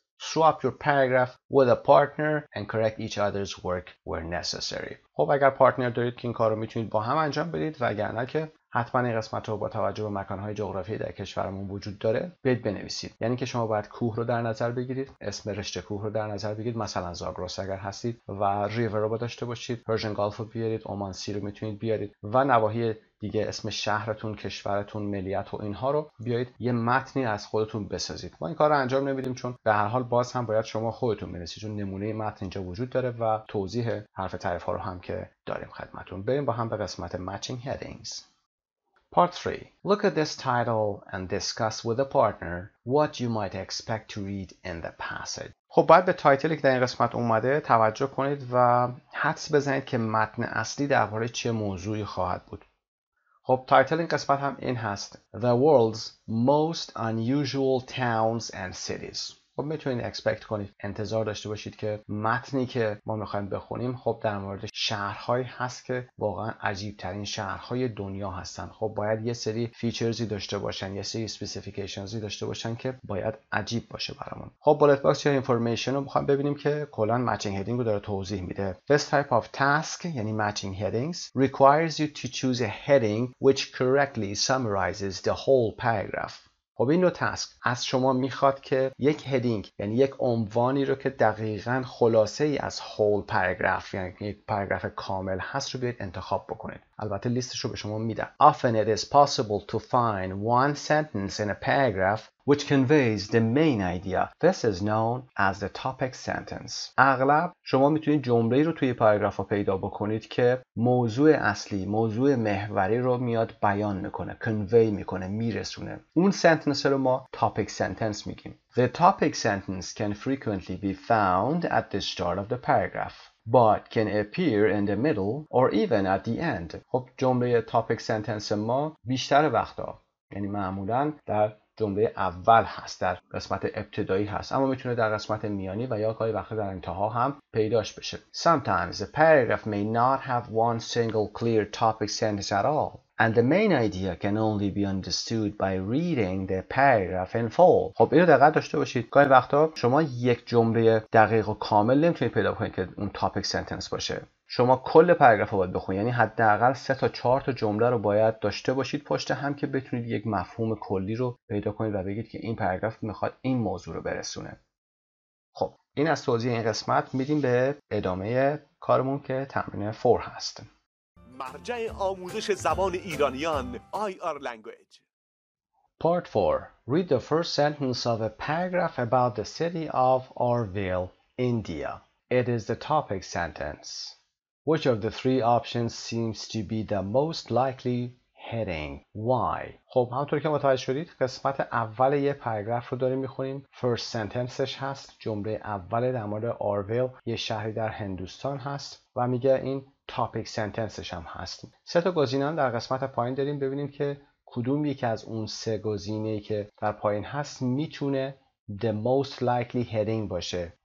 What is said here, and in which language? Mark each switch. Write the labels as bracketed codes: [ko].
[en] Swap your paragraph with a partner and correct each other's work where necessary. [fa] خب اگر پارتنر دارید که این کار رو میتونید با هم انجام بدید و اگر نه که حتما این قسمت رو با توجه به مکانهای جغرافیایی در کشورمون وجود داره بید بنویسید. یعنی که شما باید کوه رو در نظر بگیرید، اسم رشته کوه رو در نظر بگیرید، مثلا زاگرس اگر هستید و ریور رو با داشته باشید، پرشین گالف رو بیارید، عمان سی رو میتونید بیارید و نواحی دیگه اسم شهرتون، کشورتون، ملیت و اینها رو بیایید یه متنی از خودتون بسازید. ما این کار رو انجام نمیدیم چون به هر حال باز هم باید شما خودتون بنویسید چون نمونه متن اینجا وجود داره و توضیح حرف تعریف ها رو هم که داریم خدمتون. بریم با هم به قسمت matching headings. [en] Part 3. Look at this title and discuss with a partner what you might expect to read in the passage. [fa] خب بعد به تایتلی که در این قسمت اومده توجه کنید و حدس بزنید که متن اصلی درباره چه موضوعی خواهد بود. خب تایتل این قسمت هم این هست [en] The World's Most Unusual Towns and Cities. [fa] خب میتونید اکسپکت کنید، انتظار داشته باشید که متنی که ما میخواییم بخونیم خب در مورد شهرهایی هست که واقعا عجیبترین شهرهای دنیا هستن. خب باید یه سری فیچرزی داشته باشن، یه سری سپیسیفیکیشنزی داشته باشن که باید عجیب باشه برامون. خب بولت باکس یا انفورمیشن رو میخواییم ببینیم که کلان matching heading رو داره توضیح میده. [en] This type of task [fa] یعنی [en] matching headings requires you to choose a heading which correctly summarizes the whole paragraph. [fa] خب این دو تسک از شما میخواد که یک هدینگ یعنی یک عنوانی رو که دقیقاً خلاصه ای از هول پاراگراف یعنی یک پاراگراف کامل هست رو بیاید انتخاب بکنید. البته لیستش رو به شما میدم. [en] Often it is possible to find one sentence in a paragraph which conveys the main idea. This is known as the topic sentence. [fa] اغلب شما میتونید جمله‌ای رو توی پاراگراف پیدا بکنید که موضوع اصلی، موضوع محوری رو میاد بیان میکنه، convey میکنه، میرسونه. اون سنتنس رو ما topic sentence میگیم. [en] The topic sentence can frequently be found at the start of the paragraph. But can appear in the middle or even at the end. [fa] خب جمله topic sentence ما بیشتر وقتا یعنی معمولا در جمله اول هست، در قسمت ابتدایی هست، اما میتونه در قسمت میانی و یا گاهی وقتا در انتها هم پیداش بشه. [en] Sometimes the paragraph may not have one single clear topic sentence at all. And the main idea can only be understood by reading the paragraph in full. [fa] خب اینو دقت داشته باشید. گاهی وقتا شما یک جمله دقیق و کامل نمیتونید پیدا کنید که اون topic sentence باشه. شما کل پاراگراف رو باید بخونید. یعنی حداقل 3 تا 4 تا جمله رو باید داشته باشید پشت هم که بتونید یک مفهوم کلی رو پیدا کنید و بگید که این پاراگراف میخواد این موضوع رو برسونه. خب این از توضیح این قسمت. میدیم به ادامه کارمون که تمرین 4 هست. مرجع آموزش زبان ایرانیان IR Language. [en] Part 4. Read the first sentence of a paragraph about the city of Orville, India. It is the topic sentence. Which of the three options seems to be the most likely heading? Why? [fa] خب همونطور که متوجه شدید قسمت اول یه پاراگراف رو داریم میخونیم. First sentenceش هست، جمله اول در مورد Orville، یه شهری در هندوستان هست و میگه این topic sentenceش هم هست. سه تا گزینه در قسمت پایین داریم، ببینیم که کدوم یکی از اون سه گزینه‌ای که در پایین هست میتونه [en] the most likely heading [fa] باشه.